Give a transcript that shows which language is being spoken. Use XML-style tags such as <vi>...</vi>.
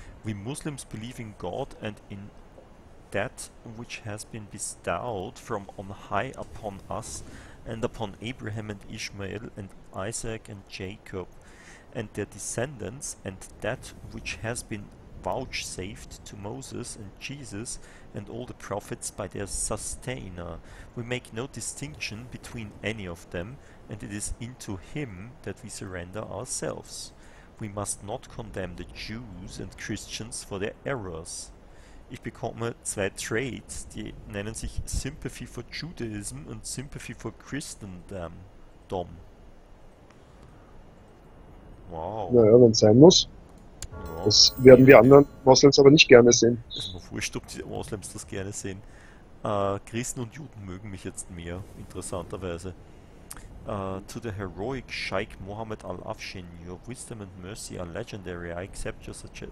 <en>We Muslims believe in God and in that which has been bestowed from on high upon us and upon Abraham and Ishmael and Isaac and Jacob and their descendants and that which has been vouchsafed to Moses and Jesus and all the prophets by their sustainer. We make no distinction between any of them, and it is into him that we surrender ourselves. We must not condemn the Jews and Christians for their errors.</en> <de>Ich bekomme zwei Traits, die nennen sich Sympathy for Judaism und Sympathy for Christendom. Wow. Naja, wenn es sein muss. Ja. Das werden die anderen Moslems aber nicht gerne sehen. Ist mir wurscht, ob die Moslems das gerne sehen. Christen und Juden mögen mich jetzt mehr, interessanterweise.</de> <en>To the heroic Sheikh Mohammed Al-Afshin, your wisdom and mercy are legendary. I accept your suggestion.</en>